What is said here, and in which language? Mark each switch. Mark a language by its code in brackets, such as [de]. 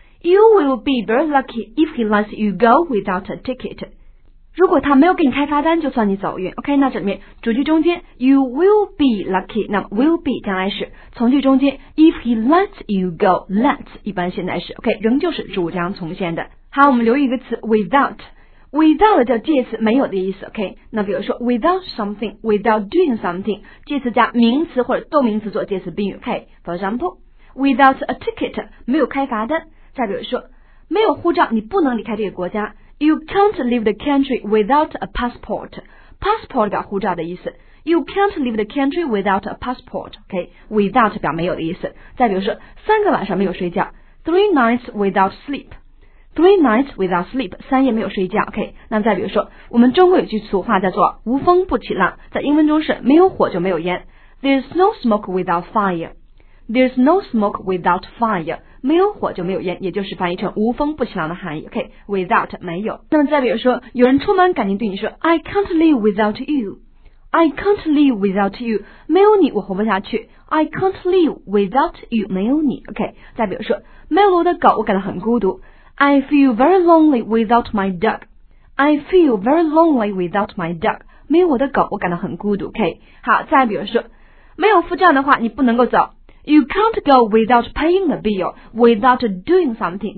[en] You will be very lucky if he lets you go without a ticket. [zh] 如果他没有给你开罚单，就算你走运。 Okay, 那这里面主句中间 [en] you will be lucky, [zh] 那 will be 将来时，从句中间 [en] if he lets you go, [zh] let 一般现在时 ，Okay, 仍旧是主将从现的。好，我们留意一个词 without。Without 叫介词，没有的意思 ，OK？那比如说 ， [en] without something， without doing something， [zh] 介词加名词或者动名词做介词宾语 ，OK？ [en] For example， without a ticket， [zh] 没有开罚单。再比如说，没有护照，你不能离开这个国家。 [en] You can't leave the country without a passport。 Passport [zh] 表护照的意思。 [en] You can't leave the country without a passport， OK？ [zh] Without 表没有的意思。再比如说，三个晚上没有睡觉。 [en] Three nights without sleep。 Three nights without sleep， [zh] 三夜没有睡觉。 OK， 那再比如说，我们中国有句俗话叫做“无风不起浪”，在英文中是“没有火就没有烟”。 [en] There's no smoke without fire. There's no smoke without fire. [zh] 没有火就没有烟，也就是翻译成“无风不起浪”的含义。OK， without 没有。那么再比如说，有人出门赶紧对你说 ： [en] “I can't live without you. I can't live without you. [zh] 没有你我活不下去。 [en] I can't live without you. [zh] 没有你。 OK， 再比如说，没有我的狗，我感到很孤独。” [en] I feel very lonely without my dog. I feel very lonely without my dog. [zh] 没有我的狗，我感到很孤独。OK， 好，再比如说，没有付账的话，你不能够走。 [en] You can't go without paying the bill without doing something.